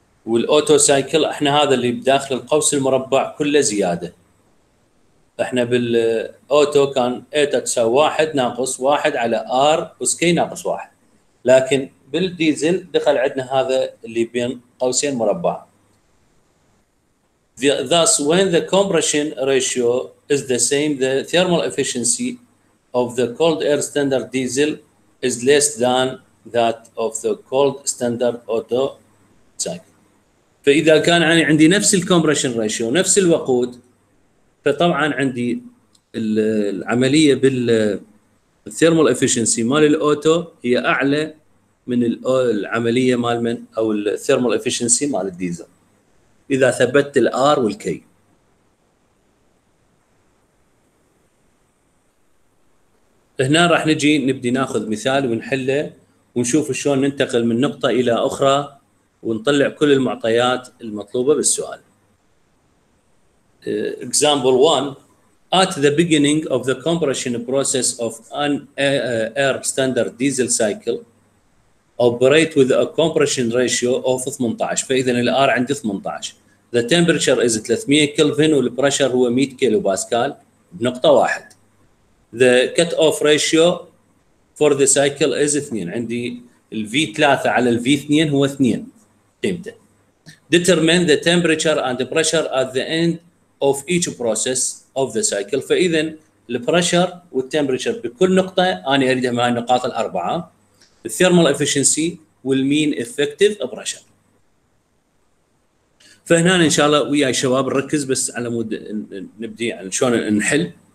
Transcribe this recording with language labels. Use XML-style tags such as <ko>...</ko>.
<ar>والاوتو سايكل احنا هذا اللي بداخل القوس المربع كله زياده. احنا بالاوتو كان ايتا تساوي 1 ناقص 1 على ار اس كي ناقص 1، لكن بالديزل دخل عندنا هذا اللي بين قوسين مربع.</ar> <en>Thus, when the compression ratio is the same, the thermal efficiency of the cold air standard diesel is less than that of the cold standard auto cycle.</en> <ar>فإذا كان يعني عندي نفس الكومبريشن ريشيو نفس الوقود، فطبعا عندي العملية بالثيرمال افشنسي مال الاوتو هي أعلى من العملية مال من أو الثيرمال افشنسي مال الديزل إذا ثبتت الـ R والـ K. هنا راح نجي نبدي ناخذ مثال ونحله ونشوف شلون ننتقل من نقطة إلى أخرى ونطلع كل المعطيات المطلوبة بالسؤال.</ar> <en>Example 1: At the beginning of the compression process of an air standard diesel cycle, operate with a compression ratio of 18.</en> <ar>فإذا الـ R عندي 18.</ar> <en>The temperature is</en> <ar>300 كلفن والبرشر هو 100 كيلو باسكال بنقطة واحد.</ar> <en>The cut-off ratio for the cycle is 2.</en> <ar>عندي الـ V3 على الـ V2 هو 2 قيمته.</ar> <en>Determine the temperature and the pressure at the end of each process of the cycle.</en> <ar>فإذا الـ pressure والـ temperature بكل نقطة أنا أريدها من النقاط الأربعة.</ar> <en>The thermal efficiency will mean effective pressure.</en> <ar>فهنا ان شاء الله ويا الشباب نركز بس على مود نبدي عن شلون نحل.</ar>